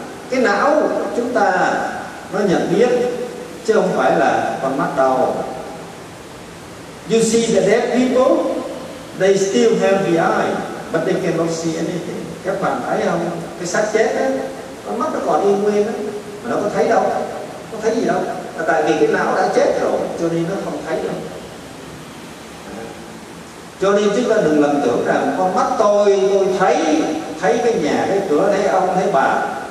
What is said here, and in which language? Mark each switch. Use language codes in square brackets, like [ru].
[vi] Cái não chúng ta nó nhận biết, chứ không phải là con mắt đâu. [en] You see the dead people, they still have the eye, but they cannot see anything. [vi] Các bạn thấy không? Cái xác chết ấy, con mắt nó còn y nguyên ấy, mà nó có thấy đâu? Nó thấy gì đâu, là tại vì cái não đã chết rồi, cho nên nó không thấy đâu. Cho nên chúng ta đừng lầm tưởng rằng con mắt tôi thấy cái nhà, cái cửa, thấy ông, thấy bà.